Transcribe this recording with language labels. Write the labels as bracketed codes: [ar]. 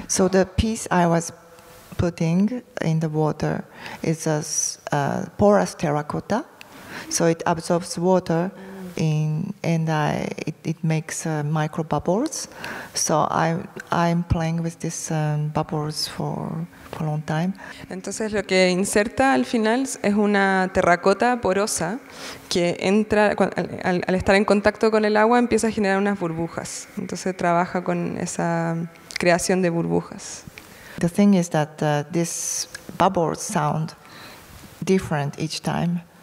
[en] So the piece I was putting in the water is a porous terracotta. So it absorbs water it makes micro bubbles. So I'm playing with these bubbles for a long time. [es] Entonces lo que inserta al final es una terracota porosa que entra al estar en contacto con el agua, empieza a generar unas burbujas. Entonces trabaja con esa creación de burbujas. [en] The thing is that these bubbles sound different each time.